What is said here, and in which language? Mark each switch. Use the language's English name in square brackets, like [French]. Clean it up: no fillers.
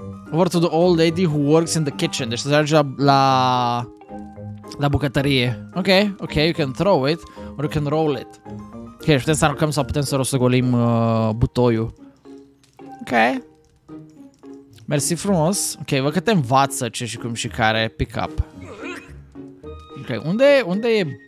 [English] Over to the old lady who works in the kitchen. [Romanian] Deci să ajungi la bucătărie. [English] Ok, ok, you can throw it or you can roll it. [Romanian] Ok, deci putem să aruncăm sau putem să rostogolim butoiul. Ok. Mersi frumos. Ok, văd că te învață ce și cum și care. [English] Pick up. [Romanian] Ok, unde e?